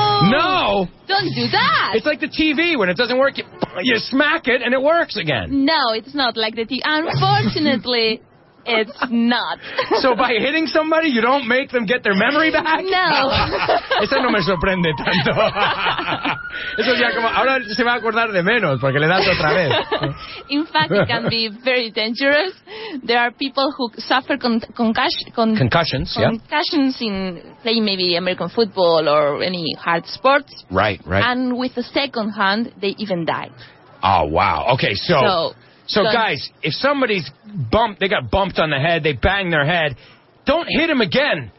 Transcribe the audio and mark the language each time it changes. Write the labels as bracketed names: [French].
[English] No! Don't do that! It's like the TV. When it doesn't work, you smack it and it works again. No, it's not like the TV. Unfortunately, it's not. So by hitting somebody, you don't make them get their memory back? No. [Spanish] Eso no me sorprende tanto. Eso ya como, ahora se va a acordar de menos, porque le das otra vez. [English] In fact, it can be very dangerous. There are people who suffer concussions in playing maybe American football or any hard sports. Right, right. And with the second hand, they even die. Oh, wow. Okay, so... So, guys, if somebody's bumped, they got bumped on the head, they bang their head, don't hit them again.